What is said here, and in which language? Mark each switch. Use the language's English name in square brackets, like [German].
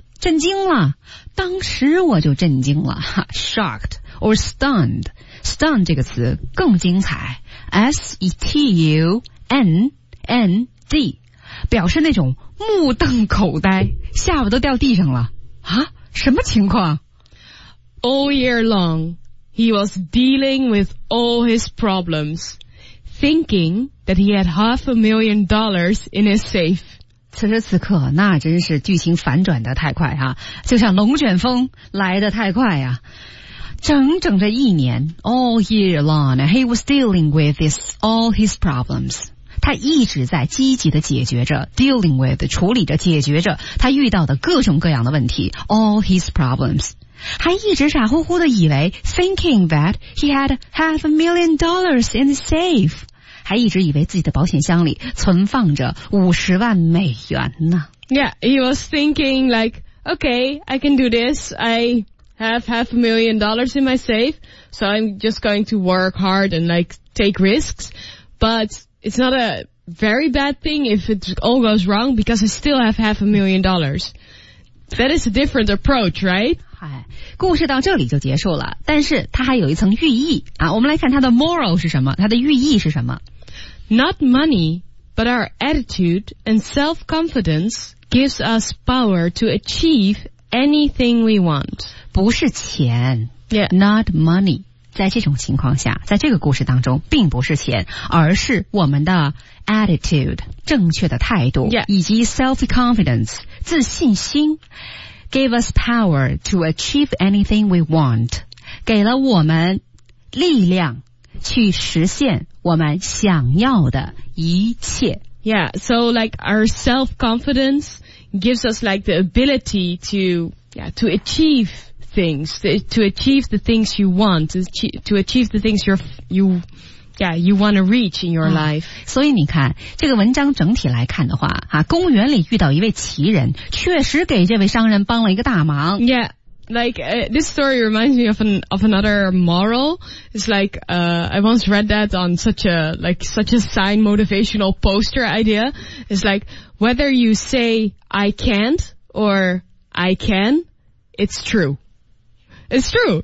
[Chinese] 震惊了。当时我就震惊了。 [English] Shocked. Or stunned. [Chinese] Stunned 这个词更精彩。S-E-T-U-N-N-D. 表示那种目瞪口呆，下巴都掉地上了。啊？什么情况？ [English] All year long. He was dealing with all his problems, thinking that he had $500,000 in his safe. [Chinese] 此时此刻，那真是剧情反转得太快啊，就像龙卷风来得太快啊。整整这一年 [English] ,all year long, he was dealing with all his problems. [Chinese] 他一直在积极的解决着 dealing with 处理着解决着他遇到的各种各样的问题 [English] all his problems， [Chinese] 还一直傻乎乎的以为 [English] thinking that he had $500,000 in the safe， [Chinese] 还一直以为自己的保险箱里存放着$500,000呢。 [English] Yeah, he was thinking like, okay, I can do this. I have $500,000 in my safe, so I'm just going to work hard and like take risks, but it's not a very bad thing if it all goes wrong because I still have $500,000. That is a different approach, right? [Chinese] 嗨，故事到这里就结束了，但是它还有一层寓意啊。我们来看它的 moral 是什么，它的寓意是什么。 [English] Not money, but our attitude and self-confidence gives us power to achieve anything we want. [Chinese] 不是钱。 Yeah. [English] Not money. [Chinese] 在这种情况下，在这个故事当中，并不是钱，而是我们的 attitude 正确的态度、 yeah. 以及 self-confidence 自信心 [English] gave us power to achieve anything we want， [Chinese] 给了我们力量去实现我们想要的一切。 [English] Yeah, so like our self-confidence gives us like the ability to, yeah, to achieve things, to achieve the things you want, to achieve the things you want to reach in your life. [Chinese] 所以你看，这个文章整体来看的话，啊，公园里遇到一位奇人，确实给这位商人帮了一个大忙。 [English] Yeah, like, this story reminds me of another moral. It's like, I once read that on such a sign motivational poster idea. It's like, whether you say I can't or I can, it's true. It's true.